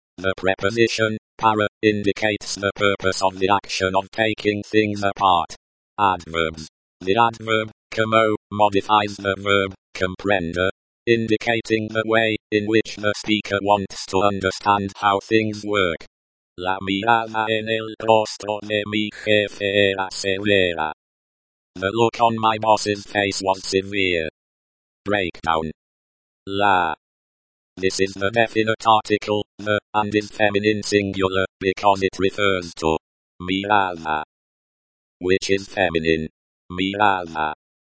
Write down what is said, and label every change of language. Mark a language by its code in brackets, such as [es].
[en] The preposition para indicates the purpose of the action of taking things apart. Adverbs. The adverb como modifies the verb comprender, indicating the way in which the speaker wants to understand how things work. [es] La mirada en el rostro de mi jefe era severa. [en] The look on my boss's face was severe. Breakdown. La. This is the definite article, the, and is feminine singular, because it refers to mirada, which is feminine. Mirada.